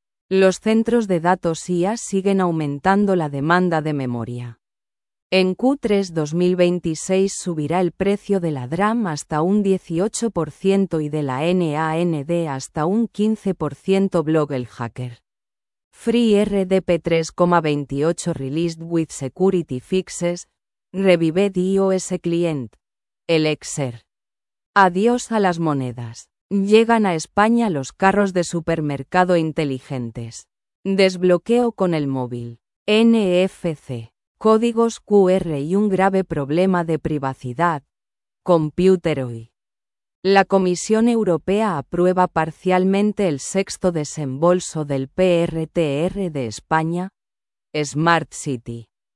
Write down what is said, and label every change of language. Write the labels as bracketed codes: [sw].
[es] Los centros de datos IA siguen aumentando la demanda de memoria. En Q3 2026 subirá el precio de la DRAM hasta un 18% y de la NAND hasta un 15%, blog el hacker. [en] FreeRDP 3,28 released with security fixes, revived iOS client, Elixir. [es] Adiós a las monedas. Llegan a España los carros de supermercado inteligentes. Desbloqueo con el móvil. NFC. Códigos QR y un grave problema de privacidad. Computer hoy. La Comisión Europea aprueba parcialmente el sexto desembolso del PRTR de España, Smart City.